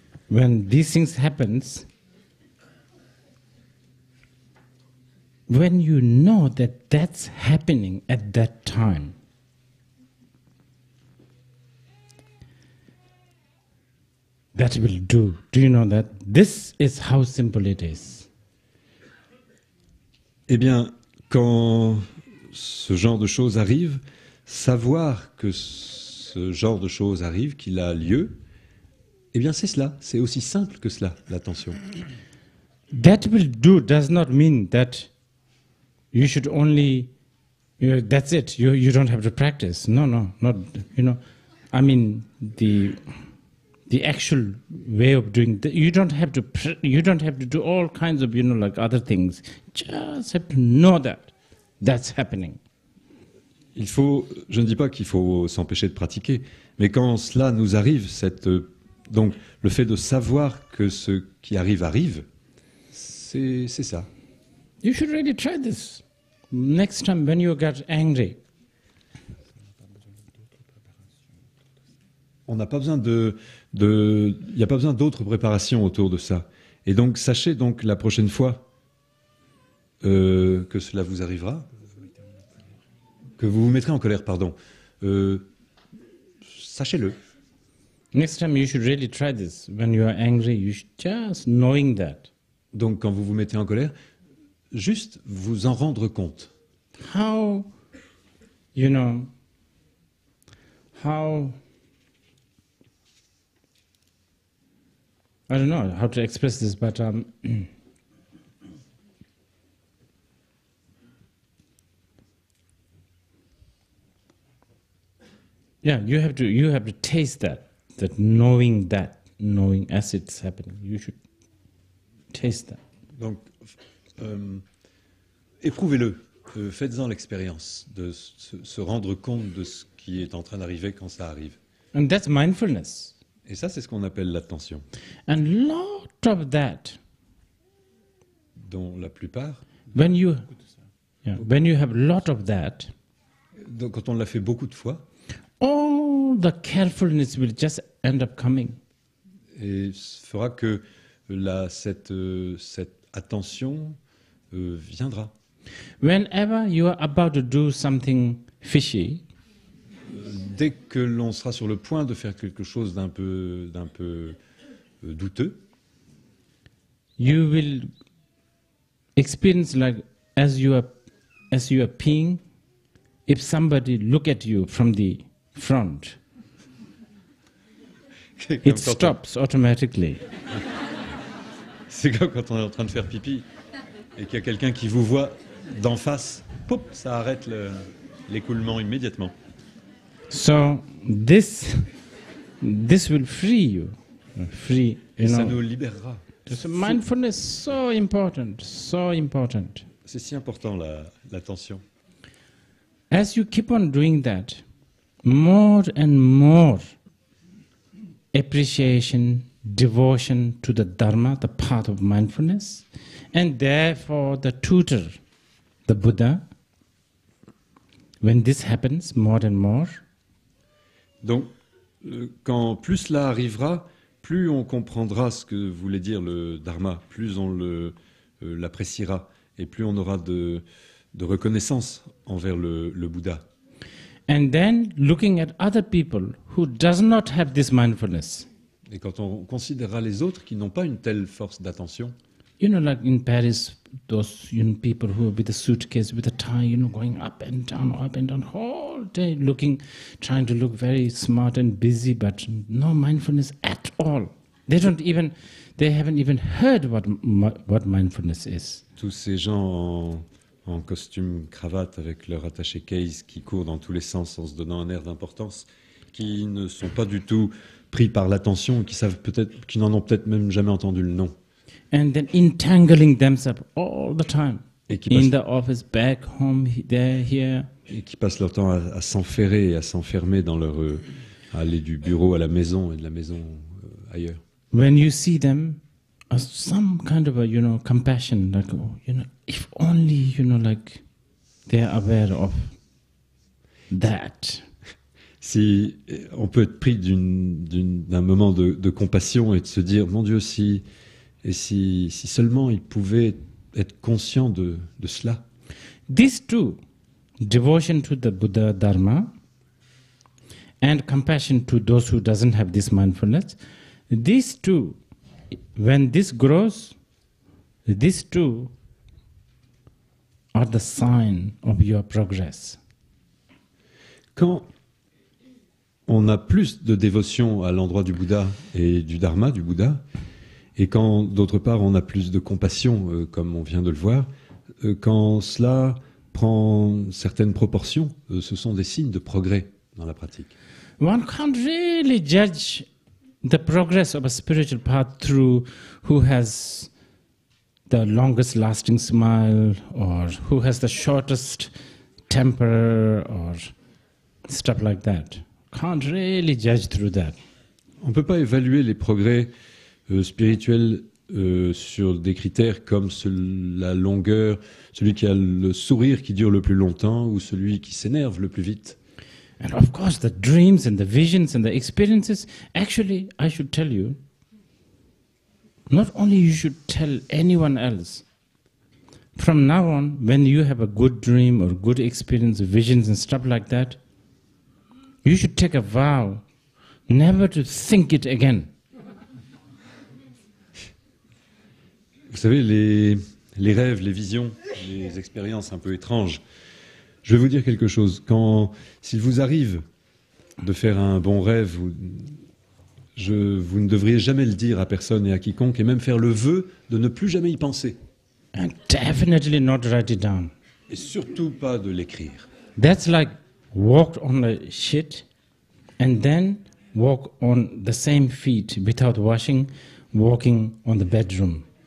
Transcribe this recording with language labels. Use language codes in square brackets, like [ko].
[en] When these things happen, when you know that that's happening at that time, that will do. Do you know that? This is how simple it is. [fr] Eh bien, quand ce genre de choses arrive, savoir que ce genre de choses arrive, qu'il a lieu, eh bien, c'est cela. C'est aussi simple que cela, l'attention. [en] That will do does not mean that you should only, you know, that's it. You don't have to practice. No, not, you know, I mean the actual way of doing. You don't have to do all kinds of, you know, like other things. Just have to know that that's happening. [fr] Il faut. Je ne dis pas qu'il faut s'empêcher de pratiquer, mais quand cela nous arrive, cette donc, le fait de savoir que ce qui arrive, arrive, c'est ça. [en] You should really try this next time when you get angry. [fr] on n'a pas besoin de il n'y a pas besoin d'autres préparations autour de ça. Et donc, sachez donc la prochaine fois que cela vous arrivera, que vous vous mettrez en colère, pardon. Sachez-le. [en] Next time you should really try this. When you are angry, you should just knowing that. [fr] Donc, quand vous vous mettez en colère, juste vous en rendre compte. [en] How, you know, how, I don't know how to express this, but yeah, you have to taste that knowing that, knowing as it's happening, you should taste that. [fr] Donc, éprouvez-le, faites-en l'expérience de se rendre compte de ce qui est en train d'arriver quand ça arrive. [en] And that's mindfulness. [fr] Et ça, c'est ce qu'on appelle l'attention. [en] And lot of that, [fr] dont la plupart, [en] when you have lot of that, [fr] donc quand on l'a fait beaucoup de fois, [en] all the carefulness will just end up coming. [fr] Et ce fera que cette attention viendra. [en] Whenever you are about to do something fishy. [fr] Dès que l'on sera sur le point de faire quelque chose d'un peu douteux, [en] you will experience like as you are peeing, if somebody look at you from the front, it stops automatically. [fr] C'est comme quand on est en train de faire pipi et qu'il y a quelqu'un qui vous voit d'en face, pop, ça arrête l'écoulement immédiatement. [en] So this will free you, free. You [fr] et [en] know. [fr] Ça nous libérera. [en] So mindfulness so important, so important. [fr] C'est si important l'attention. [en] As you keep on doing that, more and more appreciation, devotion to the Dharma, the path of mindfulness, and therefore the tutor, the Buddha. When this happens, more and more. [fr] Donc, quand plus cela arrivera, plus on comprendra ce que voulait dire le Dharma, plus on l'appréciera et plus on aura de reconnaissance envers le Bouddha. [en] And then, looking at other people who does not have this mindfulness. [fr] Et quand on considérera les autres qui n'ont pas une telle force d'attention. [en] You know, like in Paris, those young people who are with a suitcase, with a tie, you know, going up and down, whole day looking, trying to look very smart and busy, but no mindfulness at all. They don't even, they haven't even heard what mindfulness is. [fr] Tous ces gens en costume, cravate, avec leur attaché case, qui courent dans tous les sens en se donnant un air d'importance, qui ne sont pas du tout pris par l'attention, qui n'en ont peut-être même jamais entendu le nom. [en] And then entangling themselves all the time in the office, back home, there, here. [fr] Et qui passent leur temps à s'enferrer et à s'enfermer dans leur à aller du bureau à la maison et de la maison ailleurs. [en] When you see them, as some kind of a, you know, compassion, like, oh, you know, if only, you know, like, they are aware of that. [fr] Si on peut être pris d'un moment de compassion et de se dire, mon Dieu, si seulement ils pouvaient être conscients de cela. [en] These two, devotion to the Buddha Dharma and compassion to those who doesn't have this mindfulness, these two, when this grows, these two are the sign of your progress. [fr] Quand on a plus de dévotion à l'endroit du Bouddha et du Dharma du Bouddha, et quand, d'autre part, on a plus de compassion, comme on vient de le voir, quand cela prend certaines proportions, ce sont des signes de progrès dans la pratique. [en] One can't really judge the progress of a spiritual path through who has the longest lasting smile or who has the shortest temper or stuff like that. Can't really judge through that. [fr] On ne peut pas évaluer les progrès spirituel sur des critères comme la longueur, celui qui a le sourire qui dure le plus longtemps ou celui qui s'énerve le plus vite. [en] And of course, the dreams and the visions and the experiences, actually, I should tell you, not only you should tell anyone else, from now on, when you have a good dream or good experience, visions and stuff like that, you should take a vow never to think it again. [fr] Vous savez, les rêves, les visions, les expériences un peu étranges, je vais vous dire quelque chose. Quand, s'il vous arrive de faire un bon rêve, vous ne devriez jamais le dire à personne et à quiconque, et même faire le vœu de ne plus jamais y penser. [en] And definitely not write it down. [fr] Et surtout pas de l'écrire. [en] That's like walk on the shit and then walk on the same feet without washing, walking on the bedroom.